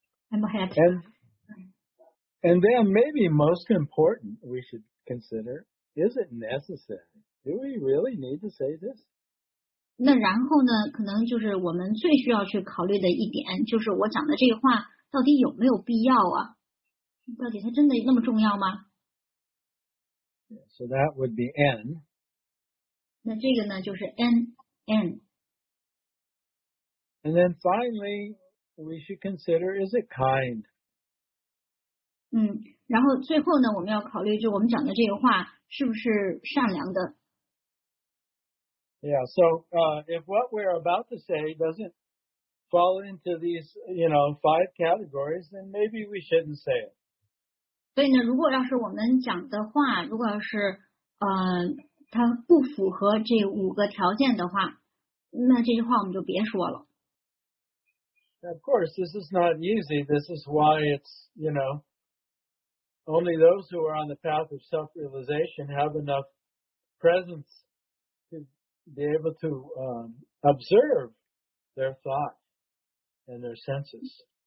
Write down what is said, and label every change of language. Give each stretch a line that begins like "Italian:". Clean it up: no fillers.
English: And then maybe most important we should consider, is it necessary? Do we really need to say this?
Chinese: 那然后呢，可能就是我们最需要去考虑的一点，就是我讲的这个话到底有没有必要啊？到底它真的那么重要吗？
English: So that would be N.
Chinese: 那这个呢，就是 N.
English: And then finally, we should consider, is it kind?
Chinese: 然后最后呢，我们要考虑，就我们讲的这个话是不是善良的。
English: Yeah, so, if what we're about to say doesn't fall into these, you know, five categories, then maybe we shouldn't say it.
Chinese: 所以呢，如果要是我们讲的话，如果要是，它不符合这五个条件的话，那这句话我们就别说了。
English: Of course, this is not easy. This is why it's, you know,Only those who are on the path of self-realization have enough presence to be able to, observe their thought and their senses.